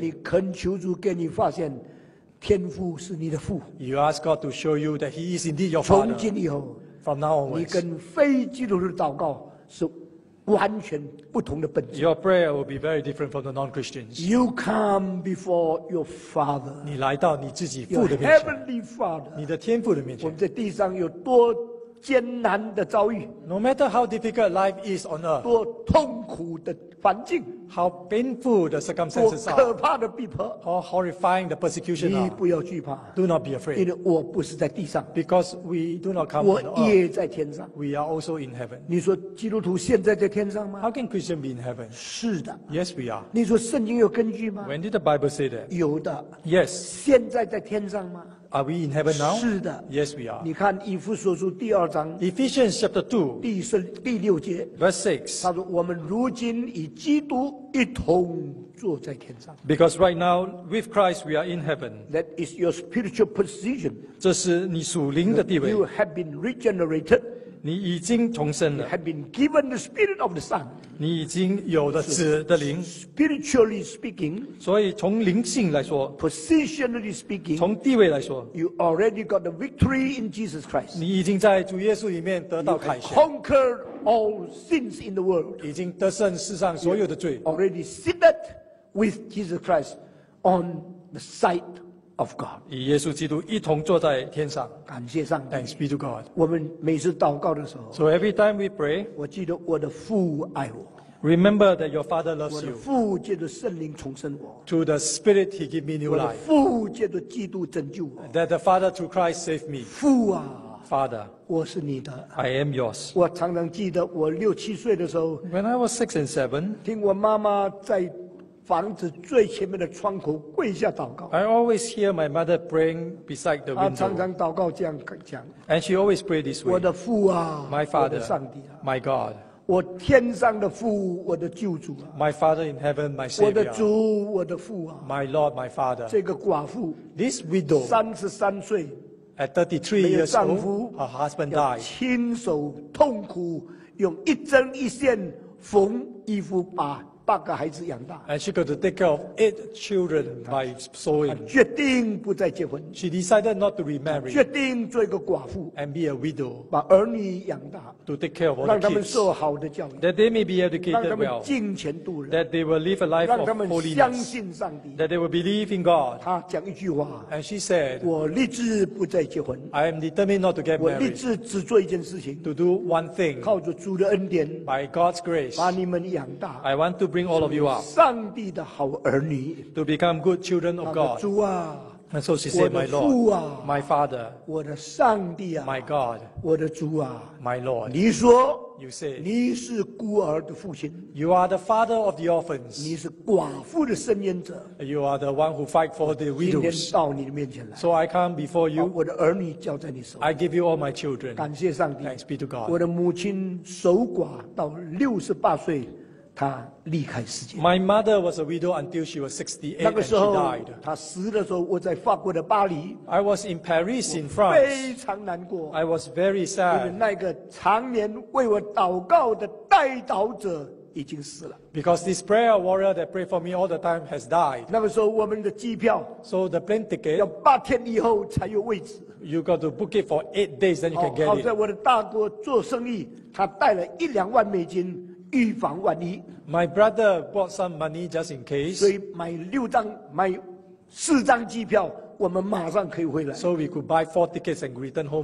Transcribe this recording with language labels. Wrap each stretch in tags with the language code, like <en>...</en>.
<zh>你恳求主给你发现天父是你的父,</zh> <en>you ask God to show you that he is indeed your father.</en> <zh>从今以后,</zh> <en>from now onwards,</en> <zh>你跟非基督徒的祷告是完全不同的本质。</zh> <en>Your prayer will be very different from the non-Christians. You come before your Father.</en> <zh>你来到你自己父的面</zh> <en>前。Your heavenly Father.</en> <zh>你的天父的面前。我们在地上有多艰难的遭遇。</zh> <en>No matter how difficult life is on earth.</en> <zh>多痛苦的环境。</zh> <en>How painful the circumstances are.</en> <zh>多可怕的逼迫。</zh> <en>How horrifying the persecution are.</en> <zh>你不要惧怕。</zh> <en>Do not be afraid.</en> <zh>因为我不是在地上。</zh> <en>Because we do not come on earth.</en> <zh>我也在天上。</zh> <en>We are also in heaven.</en> <zh>你说基督徒现在在天上吗?</zh> <en>How can Christian be in heaven?</en> <zh>是的。</zh> <en>Yes, we are.</en> <zh>你说圣经有根据吗?</zh> <en>When did the Bible say that?</en> <zh>有的。</zh> <en>Yes.</en> <zh>现在在天上吗?</zh> <en>Are we in heaven now?</en> <zh>是的。</zh> <en>Yes, we are.</en> <zh>你看以弗所书第二章。</zh> <en>Ephesians chapter 2.</en> <zh>第六节。</zh> <en>Verse 6.</en> <zh>他说我们如今以基督一同坐在天上。</zh> <en>Because right now with Christ we are in heaven. That is your spiritual position.</en> <zh>这是你属灵的地位。</zh> <en>You have been regenerated.</en> <zh>你已经重生了。</zh> <en>You have been given the spirit of the Son.</en> <zh>你已经有了子的灵。</zh> <en>Spiritually speaking.</en> <zh>所以从灵性来说。</zh> <en>Positionally speaking.</en> <zh>从地位来说。</zh> <en>You already got the victory in Jesus Christ.</en> <zh>你已经在主耶稣里面得到凯旋。</zh> <en>You have conquered. All sins in the world.</en> <zh>已经得胜世上所有的罪。</zh> <en>Already seated with Jesus Christ on the side of God.</en> <zh>与耶稣基督一同坐在天上。感谢上帝。</zh> <en>Thanks be to God.</en> <zh>我们每次祷告的时候。</zh> <en>So every time we pray.</en> <zh>我记得我的父爱我。</zh> <en>Remember that your Father loves you.</en> <zh>我的父借着圣灵重生我。</zh> <en>Through the Spirit He gave me new life.</en> <zh>我的父借着基督拯救我。</zh> <en>That the Father through Christ saved me.</en> <zh>父啊。</zh> <en>Father,</en> <zh>我是你的。</zh> <en>I am yours.</en> <zh>我常常记得我六七岁的时候。</zh> <en>When I was six and seven,</en> <zh>听我妈妈在房子最前面的窗口跪下祷告。</zh> <en>I always hear my mother praying beside the window.</en> <zh>她常常祷告这样讲。</zh> <en>And she always prayed this way.</en> <zh>我的父啊</zh> <en>，My Father,</en> <zh>我的上帝啊</zh> <en>，My God.</en> <zh>我天上的父，我的救主啊</zh> <en>，My Father in heaven, my Savior.</en> <zh>我的主，我的父啊</zh> <en>，My Lord, my Father.</en> <zh>这个寡妇</zh> <en>，This widow,</en> <zh>三十三岁。</zh> <en>At 33 years old, her husband died.</en> <zh>亲手痛苦，用一针一线缝衣服，把八个孩子养大。</zh> <en>And she got to take care of 8 children by sewing.</en> <zh>她决定不再结婚。</zh> <en>She decided not to remarry.</en> <zh>决定做一个寡妇。</zh> <en>And be a widow.</en> <zh>把儿女养大。</zh> <en>To take care of all the kids.</en> <zh>让他们受好的教育。</zh> <en>That they may be educated well.</en> <zh>让他们敬虔度人。</zh> <en>That they will live a life of holiness.</en> <zh>让他们相信上帝。</zh> <en>That they will believe in God.</en> <zh>她讲一句话。</zh> <en>And she said,</en> <zh>我立志不再结婚。</zh> <en>I am determined not to get married.</en> <zh>我立志只做一件事情。</zh> <en>To do one thing.</en> <zh>靠着主的恩典。</zh> <en>By God's grace.</en> <zh>把你们养大。</zh> <en>I want to bring all of you up.</en> <zh>上帝的好儿女。</zh> <en>To become good children of God.</en> <zh>主啊。</zh> <en>And so she said, my Lord,</en> <zh>我的父啊,</zh> <en>my Father,</en> <zh>我的上帝啊,</zh> <en>my God,</en> <zh>我的主啊,</zh> <en>my Lord,</en> <zh>你说,</zh> <en>you say,</en> <zh>你是孤儿的父亲,</zh> <en>you are the father of the orphans,</en> <zh>你是寡妇的伸冤者,</zh> <en>you are the one who fight for the widows.</en> <zh>今天到你的面前来,</zh> <en>so I come before you,</en> <zh>把我的儿女交在你手,</zh> <en>I give you all my children,</en> <zh>感谢上帝,</zh> <en>thanks be to God.</en> <zh>我的母亲守寡到六十八岁, 她离开世界。</zh> <en>My mother was a widow until she was 68 and she died.</en> <zh>她死的时候，我在法国的巴黎。</zh> <en>I was in Paris in France.</en> <zh>非常难过。</zh> <en>I was very sad.</en> <zh>因为那个常年为我祷告的代祷者已经死了。</zh> <en>Because this prayer warrior that prayed for me all the time has died.</en> <zh>那个时候我们的机票</zh> <en>，so the plane ticket</en> <zh>要八天以后才有位置。</zh> <en>You got to book it for 8 days, then you can get it.</en> <zh>好在我的大哥做生意，他带了1-2万美金，预防万一。</zh> <en>My brother bought some money just in case.</en> <zh>所以买4张机票。我们马上可以回来。</zh> <en>So we could buy 4 tickets and return home.</en>